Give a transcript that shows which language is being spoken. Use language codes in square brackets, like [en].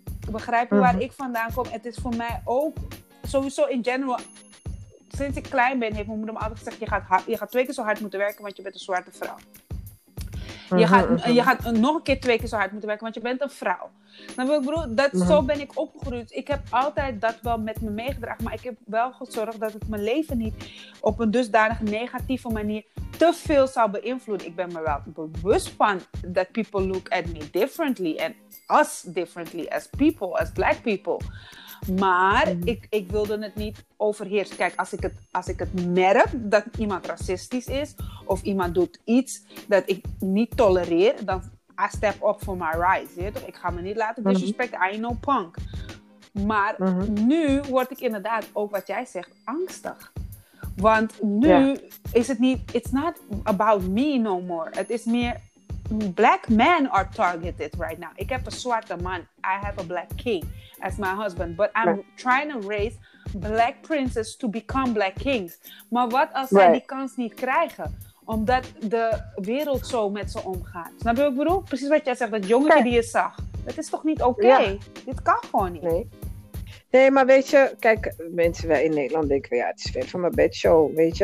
[nl] Begrijp je waar ik vandaan kom? Het is voor mij ook, sowieso in general, sinds ik klein ben, heeft mijn moeder me altijd gezegd, je gaat twee keer zo hard moeten werken, want je bent een zwarte vrouw. Je gaat nog een keer twee keer zo hard moeten werken, want je bent een vrouw. Nou, broer, zo ben ik opgegroeid. Ik heb altijd dat wel met me meegedragen, maar ik heb wel gezorgd dat het mijn leven niet op een dusdanig negatieve manier te veel zou beïnvloeden. Ik ben me wel bewust van dat [en] people look at me differently and us differently as people, as black people. [nl] Maar ik wilde het niet overheersen. Kijk, als ik het merk dat iemand racistisch is of iemand doet iets dat ik niet tolereer, dan [en] I step up for my rights. [nl] Je weet toch? Ik ga me niet laten disrespecten. [en] I ain't no punk. [nl] Maar nu word ik inderdaad ook wat jij zegt angstig. Want nu is het niet, [en] it's not about me no more. [nl] Het is meer [en] black men are targeted right now. [nl] Ik heb een zwarte man. [en] I have a black king as my husband. But I'm trying to raise black princes to become black kings. [nl] Maar wat als zij die kans niet krijgen? Omdat de wereld zo met ze omgaat. Snap je wat ik bedoel? Precies wat jij zegt, dat jongetje die je zag. Dat is toch niet oké? Okay? Ja. Dit kan gewoon niet. Nee, maar weet je, kijk, mensen wij in Nederland denken, ja, het is ver van mijn bedshow, weet je.